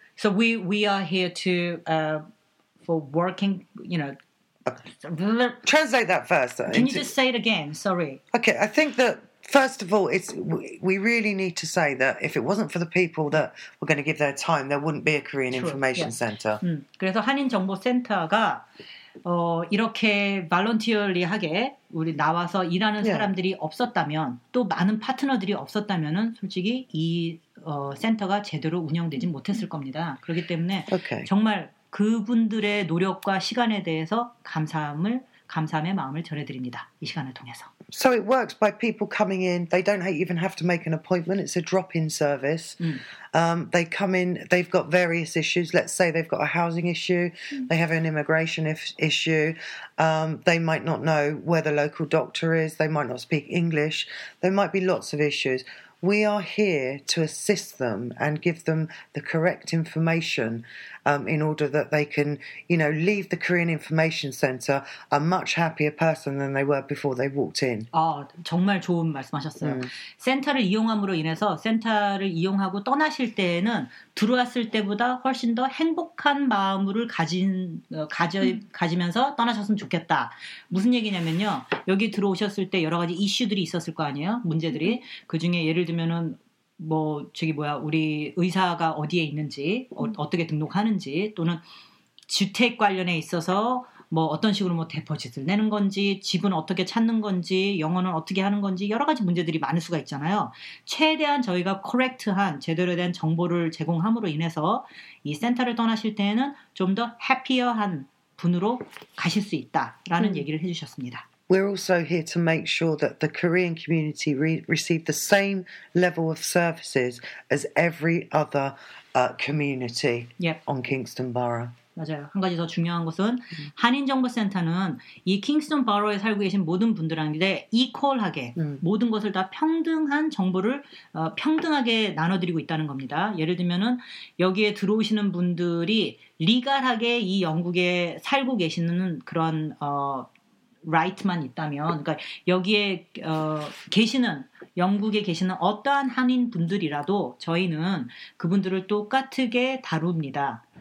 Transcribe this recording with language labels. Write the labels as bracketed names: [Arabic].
[English] So we are here to for working, you know. Translate that first. Can you just say it again? Sorry. Okay. I think that, first of all, it's we really need to say that if it wasn't for the people that were going to give their time, there wouldn't be a Korean True. Information yeah. Center. [Korean] 그래서 한인정보센터가 이렇게 발런티얼리하게 우리 나와서 일하는 [English] yeah. [Korean] 사람들이 없었다면 또 많은 파트너들이 없었다면은 솔직히 이 센터가 제대로 운영되지 못했을 겁니다. 그렇기 때문에 [English] okay. [Korean] 정말 그분들의 노력과 시간에 대해서 감사함의 마음을 전해드립니다. 이 시간을 통해서. [English] So it works by people coming in. They don't even have to make an appointment. It's a drop-in service. They come in. They've got various issues. Let's say they've got a housing issue. They have an immigration issue. They might not know where the local doctor is. They might not speak English. There might be lots of issues. We are here to assist them and give them the correct information in order that they can, you know, leave the Korean Information Center a much happier person than they were before they walked in. [Korean] 정말 좋은 말씀하셨어요. 센터를 이용함으로 인해서 센터를 이용하고 떠나실 때에는 들어왔을 때보다 훨씬 더 행복한 마음을 가지면서 떠나셨으면 좋겠다. 무슨 얘기냐면요. 여기 들어오셨을 때 여러 가지 이슈들이 있었을 거 아니에요. 문제들이. 그중에 예를 들면은 뭐 저기 뭐야 우리 의사가 어디에 있는지 어떻게 등록하는지 또는 주택 관련에 있어서 뭐 어떤 식으로 뭐 데포짓을 내는 건지 집은 어떻게 찾는 건지 영어는 어떻게 하는 건지 여러 가지 문제들이 많을 수가 있잖아요. 최대한 저희가 correct한 제대로 된 정보를 제공함으로 인해서 이 센터를 떠나실 때에는 좀 더 happier한 분으로 가실 수 있다라는 얘기를 해주셨습니다. [English] We're also here to make sure that the Korean community receive the same level of services as every other community yep. on Kingston Borough. [Korean] 맞아요. 한 가지 더 중요한 것은 한인정보센터는 이 킹스톤 바로에 살고 계신 모든 분들한테 이퀄하게 모든 것을 다 평등한 정보를 평등하게 나눠드리고 있다는 겁니다. 예를 들면은 여기에 들어오시는 분들이 리갈하게 이 영국에 살고 계시는 그런 right만 있다면, 그러니까 여기에 계시는 영국에 계시는 어떠한 한인 분들이라도 저희는 그분들을 똑같게 다룹니다.